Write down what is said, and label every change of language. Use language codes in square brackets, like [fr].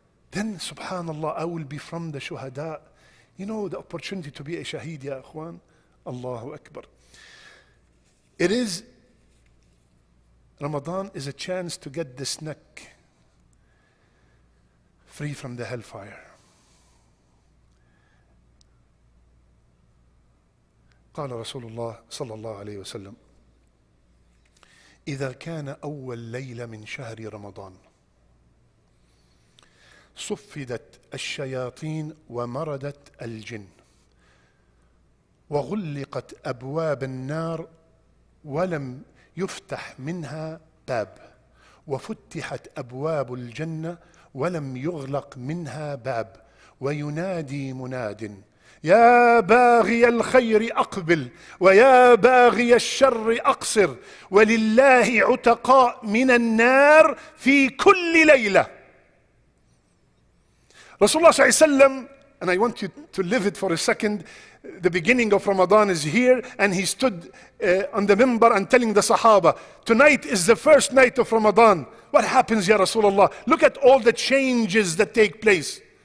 [en] Then subhanallah, I will be from the shuhada. You know the opportunity to be a shaheed, ya akhwan. Allahu Akbar. It is, Ramadan is a chance to get this neck free from the hellfire. [ar] قال رسول الله صلى الله عليه وسلم إذا كان أول ليلة من شهر رمضان صفدت الشياطين ومردت الجن وغلقت أبواب النار ولم يفتح منها باب وفتحت أبواب الجنة ولم يغلق منها باب وينادي مناد يا باغي الخير أقبل ويا باغي الشر أقصر ولله عتقاء من النار في كل ليلة. [en] Rasulullah [ar] صلى الله عليه وسلم, [en] and I want you to live it for a second, the beginning of Ramadan is here and he stood on the minbar and telling the Sahaba, tonight is the first night of Ramadan. What happens, ya Rasulullah? Look at all the changes that take place.